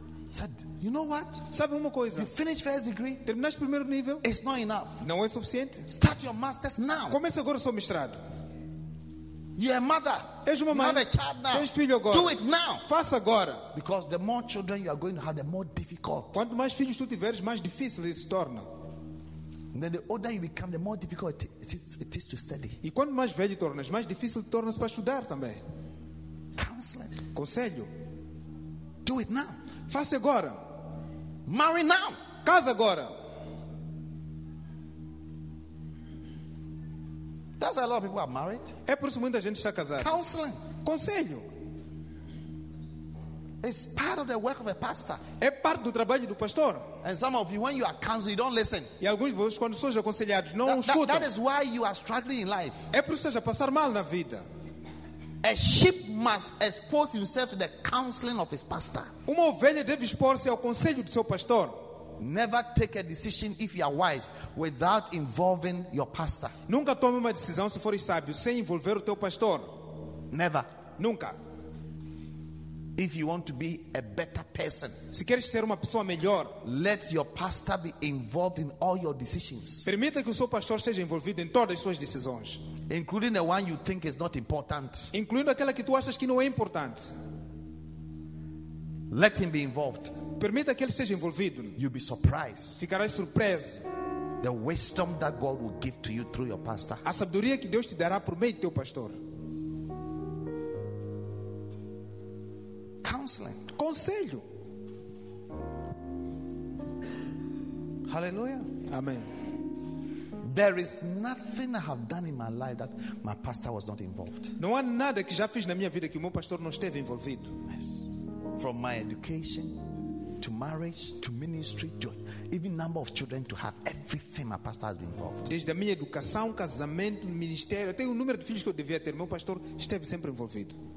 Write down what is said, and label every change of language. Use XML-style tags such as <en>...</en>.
<en>Said, you know what?</en> <pt>Sabe uma coisa?</pt> <en>You finish first degree.</en> <pt>Terminaste primeiro nível.</pt> <en>It's not enough.</en> <pt>Não é suficiente.</pt> <en>Start your masters now.</en> <pt>Comece agora o seu mestrado.</pt> <en>You're a mother.</en> <pt>És uma mãe.</pt> <en>You have a child now.</en> <pt>Tens filho agora.</pt> <en>Do it now.</en> <pt>Faça agora.</pt> <en>Because the more children you are going to have, the more difficult.</en> <pt>Quanto mais filhos tu tiveres, mais difícil isso se torna.</pt> <en>And then the older you become, the more difficult it is to study.</en> <pt>E quanto mais velho tornas, mais difícil torna-se para estudar também.</pt> <en>Counseling.</en> <pt>Conselho.</pt> <en>Do it now.</en> <pt>Faça agora.</pt> <en>Marry now.</en> <pt>Casa agora.</pt> <en>That's why a lot of people are married.</en> <pt>É por isso que muita gente está casada.</pt> <en>Counseling.</en> <pt>Conselho.</pt> <en>It's part of the work of a pastor.</en> <pt>É parte do trabalho do pastor.</pt> <en>And some of you, when you are counseled, you don't listen.</en> <pt>E alguns de vocês, quando sois aconselhados, não escutam.</pt> <en>That is why you are struggling in life.</en> <pt>É por isso que a passar mal na vida.</pt> <en>A sheep must expose himself to the counseling of his pastor.</en> <pt>Uma ovelha deve expor-se ao conselho do seu pastor.</pt> <en>Never take a decision if you are wise without involving your pastor.</en> <pt>Nunca tome uma decisão se fores sábio sem envolver o teu pastor.</pt> <en>Never.</en> <pt>Nunca.</pt> <en>If you want to be a better person,</en> <pt>se queres ser uma pessoa melhor,</pt> <en>let your pastor be involved in all your decisions.</en> <pt>Permita que o seu pastor esteja envolvido em todas as suas decisões,</pt> <en>including the one you think is not important.</en> <pt>Incluindo aquela que tu achas que não é importante.</pt> <en>Let him be involved.</en> <pt>Permita que ele esteja envolvido.</pt> <en>You'll be surprised.</en> <pt>Ficarás surpreso.</pt> <en>The wisdom that God will give to you through your pastor.</en> <pt>A sabedoria que Deus te dará por meio do teu pastor.</pt> <en>Counseling.</en> <pt>Conselho.</pt> <en>Hallelujah.</en> <pt>Amen.</pt> <en>There is nothing I have done in my life that my pastor was not involved.</en> <pt>Não há nada que já fiz na minha vida que o meu pastor não esteve envolvido.</pt> <en>Yes. From my education to marriage to ministry to even number of children to have, everything my pastor has been involved.</en> <pt>Desde a minha educação, casamento, ministério, até o número de filhos que eu devia ter, meu pastor esteve sempre envolvido.</pt>